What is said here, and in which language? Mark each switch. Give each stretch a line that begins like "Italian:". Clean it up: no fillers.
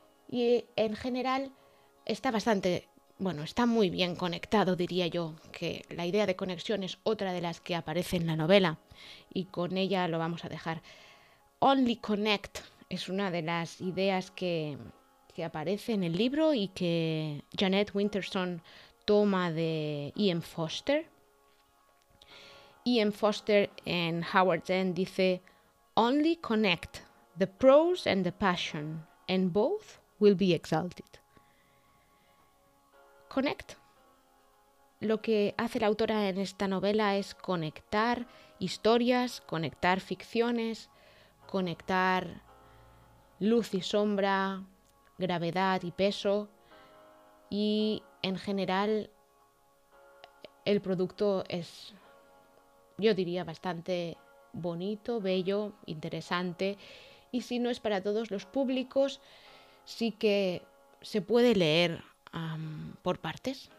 Spanish: Y en general está bastante. Bueno, está muy bien conectado, diría yo, que la idea de conexión es otra de las que aparece en la novela y con ella lo vamos a dejar. Only Connect es una de las ideas que aparece en el libro y que Jeanette Winterson toma de E.M. Foster. E.M. Foster en Howards End dice:
English: "Only connect the prose and the passion, and both will be exalted." Connect.
Spanish: Lo que hace la autora en esta novela es conectar historias, conectar ficciones, conectar luz y sombra, gravedad y peso, y en general el producto es, yo diría, bastante bonito, bello, interesante, y si no es para todos los públicos, sí que se puede leer. Por partes.